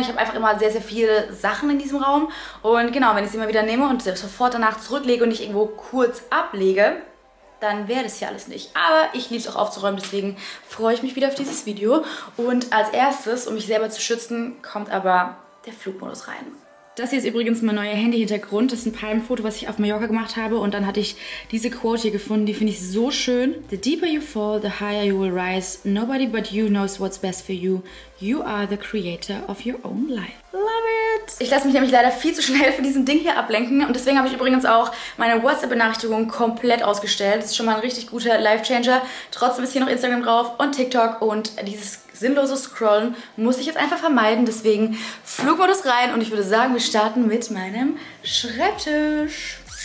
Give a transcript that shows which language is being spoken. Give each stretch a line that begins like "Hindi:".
German: Ich habe einfach immer sehr, sehr viele Sachen in diesem Raum. Und genau, wenn ich sie immer wieder nehme und sofort danach zurücklege und nicht irgendwo kurz ablege, dann wäre das hier alles nicht. Aber ich liebe es auch aufzuräumen, deswegen freue ich mich wieder auf dieses Video. Und als erstes, um mich selber zu schützen, kommt aber der Flugmodus rein. Das hier ist übrigens mein neuer Handy-Hintergrund. Das ist ein Palmenfoto, was ich auf Mallorca gemacht habe. Und dann hatte ich diese Quote hier gefunden. Die finde ich so schön.
English: The deeper you fall, the higher you will rise. Nobody but you knows what's best for you. You are the creator of your own life. Love it!
German: Ich lasse mich nämlich leider viel zu schnell von diesem Ding hier ablenken. Und deswegen habe ich übrigens auch meine WhatsApp-Benachrichtigung komplett ausgestellt. Das ist schon mal ein richtig guter Life-Changer. Trotzdem ist hier noch Instagram drauf und TikTok und dieses sinnlose Scrollen muss ich jetzt einfach vermeiden. Deswegen Flugmodus rein und ich würde sagen, wir starten mit meinem Schreibtisch.